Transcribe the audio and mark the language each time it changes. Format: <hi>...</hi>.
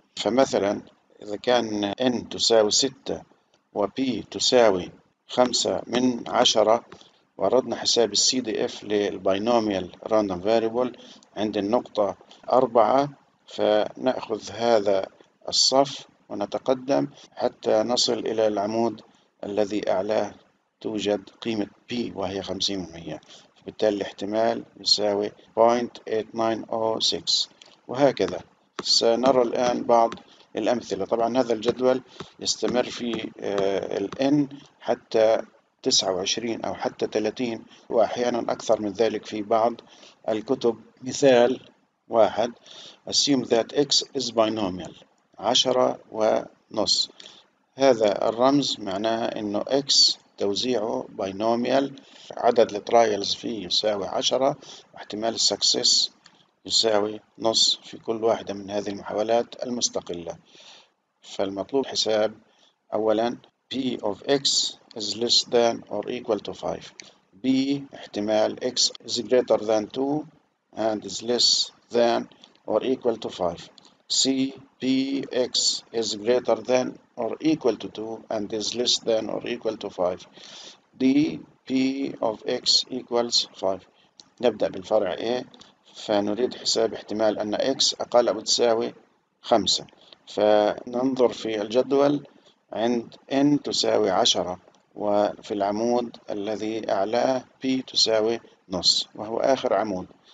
<ar>فمثلا إذا كان N تساوي 6 و P تساوي 5/10، وأردنا حساب الـ CDF للـ Binomial Random Variable عند النقطة 4، فنأخذ هذا الصف ونتقدم حتى نصل إلى العمود الذي أعلاه توجد قيمة P وهي 50%، فبالتالي الاحتمال يساوي 0.8906. وهكذا سنرى الآن بعض الأمثلة. طبعا هذا الجدول يستمر في الـ N حتى 29 أو حتى 30، وأحيانا أكثر من ذلك في بعض الكتب. مثال واحد:</ar> <en>assume that X is binomial 10.5.</en> <ar>هذا الرمز معناه أنه X توزيعه binomial، عدد الترايلز فيه يساوي 10، واحتمال السكسس يساوي 0.5 في كل واحدة من هذه المحاولات المستقلة. فالمطلوب حساب أولا</ar> <en>P of X is less than or equal to 5. B احتمال X is greater than 2 and is less than or equal to 5. C P X is greater than or equal to 2 and is less than or equal to 5. D P of X equals 5.</en> <ar>نبدأ بالفرع A، فنريد حساب احتمال أن X أقل أو تساوي 5. فننظر في الجدول عند N تساوي 10، وفي العمود الذي أعلاه P تساوي 0.5، وهو آخر عمود.</ar>